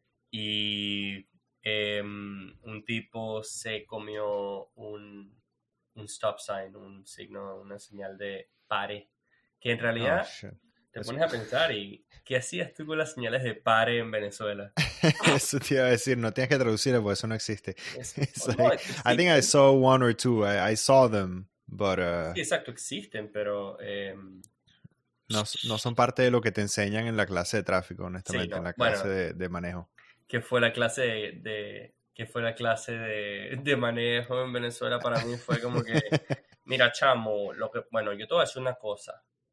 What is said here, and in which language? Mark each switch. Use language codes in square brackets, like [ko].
[es] Y un tipo se comió un stop sign, un signo, una señal de pare, que en realidad pones a pensar, ¿y qué hacías tú con las señales de pare en Venezuela? Eso te iba a decir, no tienes que traducirlo porque eso no existe. [en] I think I saw one or two, I saw them, but... [es] Sí, exacto, existen, pero... No son parte de lo que te enseñan en la clase de tráfico, honestamente, sí, no. En la clase, bueno, de manejo. Que fue la clase de... Que fue la clase de manejo en Venezuela para mí fue como que, mira, chamo, lo que, bueno, yo te voy a decir una cosa.